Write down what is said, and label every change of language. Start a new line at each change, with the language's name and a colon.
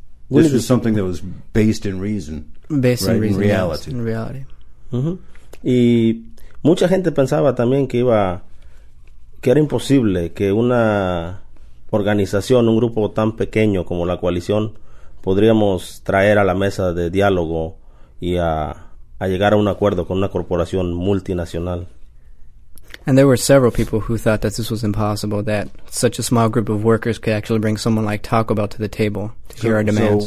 English: this was something that was based in reason. Based right? in reason, in reality. Yes, in reality.
Spanish: Mm-hmm. Y mucha gente pensaba también que iba... que era imposible que una organización, un grupo tan pequeño como la coalición, podríamos traer a la mesa de diálogo y a llegar a un acuerdo con una corporación multinacional.
English: And there were several people who thought that this was impossible, that such a small group of workers could actually bring someone like Taco Bell to the table to hear our demands.